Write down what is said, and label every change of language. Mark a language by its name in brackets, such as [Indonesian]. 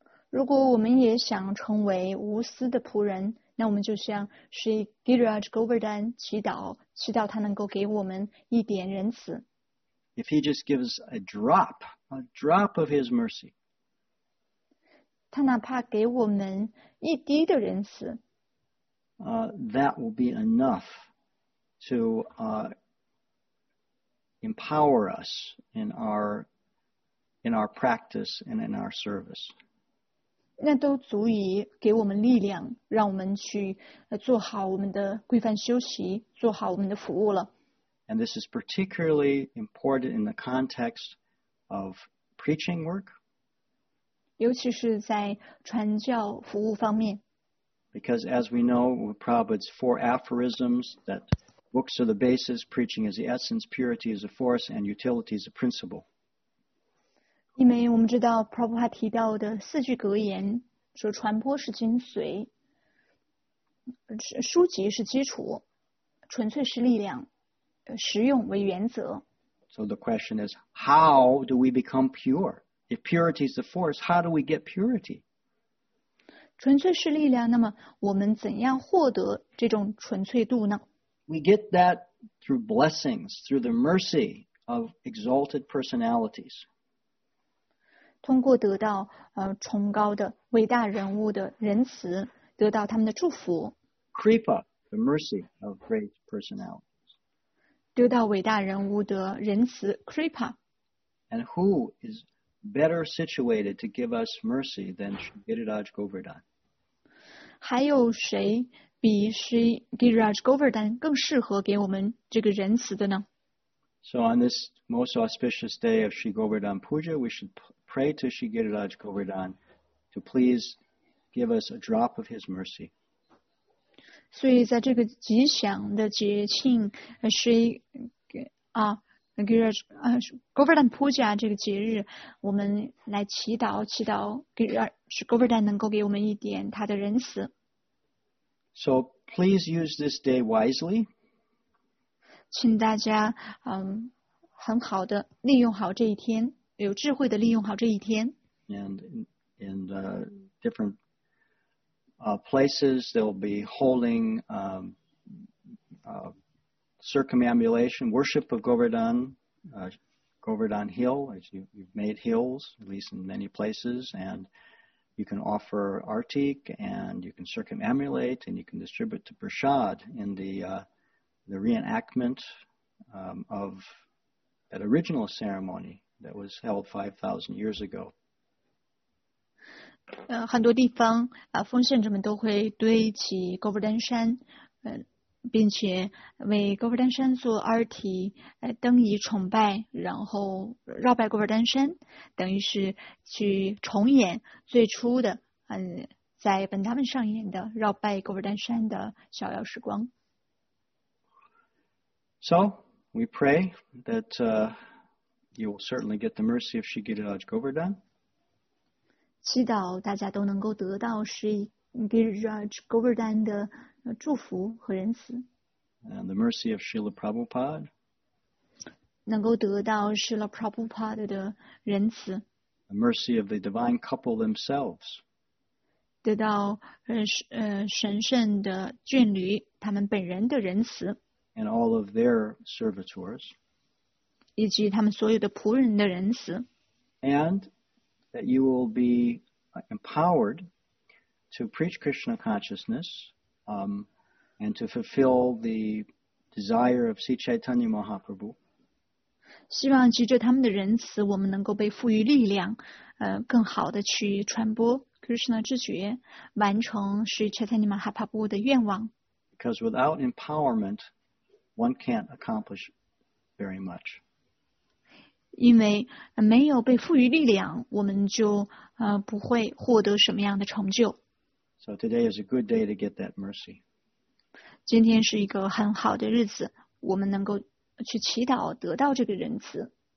[Chinese] 如果我们也想成为无私的仆人，那我们就向 Shri Giriraj Govardhan 祈祷，祈祷他能够给我们一点仁慈。 [English] If he just gives a drop of his mercy, [Chinese] 他哪怕给我们一滴的仁慈 [English] that will be enough to empower us in our practice and in our service. [Chinese] 那都足以给我们力量，让我们去做好我们的规范修习，做好我们的服务了。 [English] And this is particularly important in the context of preaching work. [Chinese] 尤其是在传教服务方面。 [English] Because as we know, Prabhupada's four aphorisms, that books are the basis, preaching is the essence, purity is the force, and utility is the principle. [Chinese] 因为我们知道 Prabhupada 提到的四句格言，说传播是精髓，书籍是基础，纯粹是力量，实用为原则。 [English] So the question is, how do we become pure? If purity is the force, how do we get purity? [Chinese] 纯粹是力量，那么我们怎样获得这种纯粹度呢？ [English] We get that through blessings, through the mercy of exalted personalities. [Chinese] 通过得到崇高的伟大人物的仁慈，得到他们的祝福。 [English] Kripa, the mercy of great personalities. [Chinese] 得到伟大人物的仁慈 ,Kripa. [English] And who is... better situated to give us mercy than Giriraj Govardhan. [Chinese] 还有谁比 Shri Giriraj Govardhan 更适合给我们这个仁慈的呢？ [English] So on this most auspicious day of Shri Govardhan Puja, we should pray to Shri Giriraj Govardhan to please give us a drop of his mercy. [Chinese] 所以在这个吉祥的节庆 Shri Giriraj Govardhan Puja 这个节日，我们来祈祷 Giriraj Govardhan 能够给我们一点他的仁慈。 [English] So please use this day wisely. [Chinese] 请大家很好的利用好这一天，有智慧的利用好这一天。 [English] And different places they'll be holding circumambulation worship of Govardhan. Govardhan Hill, as you've made hills, at least in many places, and you can offer artik, and you can circumambulate, and you can distribute to prasad in the reenactment of that original ceremony that was held 5,000 years ago. [Chinese] 很多地方奉献者们都会堆起 Govardhan 山，并且为戈布丹山做二体灯仪崇拜，然后绕拜戈布丹山，等于是去重演最初的在本达门上演的绕拜戈布丹山的逍遥时光。 [English] So we pray that you will certainly get the mercy of Shigeru Raj Govardhan. [Chinese] 祈祷大家都能够得到 Shigeru Raj Govardhan 的祝福和仁慈。 [English] And the mercy of Srila Prabhupada. [Chinese] 能够得到 Srila Prabhupada 的仁慈。 [English] The mercy of the divine couple themselves. [Chinese] 得到神圣的眷侣他们本人的仁慈。 [English] And all of their servitors. [Chinese] 以及他们所有的仆人的仁慈。 [English] And that you will be empowered to preach Krishna consciousness and to fulfill the desire of Sri Chaitanya Mahaprabhu. [Chinese] 希望藉着他们的仁慈我们能够被赋予力量更好地去传播 Krishna 之觉完成 Sri Chaitanya Mahaprabhu 的愿望。 [English] Because without empowerment, one can't accomplish very much. [Chinese] 因为没有被赋予力量我们就不会获得什么样的成就。 [English] So today is a good day to get that mercy. [Chinese] 今天是一个很好的日子我们能够去祈祷得到这个仁慈。